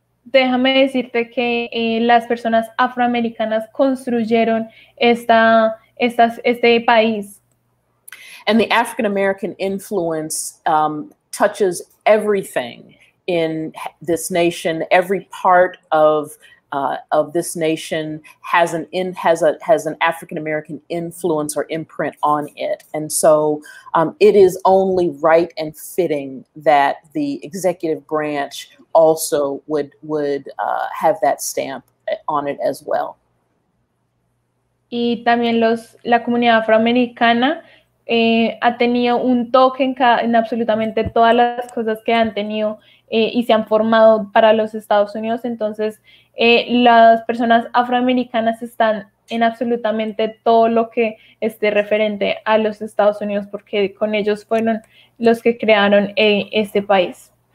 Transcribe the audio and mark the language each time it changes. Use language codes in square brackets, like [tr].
[es] Déjame decirte que las personas afroamericanas construyeron este país. [en] And the African American influence touches everything in this nation, every part of of this nation has an in, has an African American influence or imprint on it. And so it is only right and fitting that the executive branch also would have that stamp on it as well. [es] Y también la comunidad afroamericana ha tenido un toque en absolutamente todas las cosas que han tenido y se han formado para los Estados Unidos. Entonces, las personas afroamericanas están en absolutamente todo lo que esté referente a los Estados Unidos, porque con ellos fueron los que crearon este país.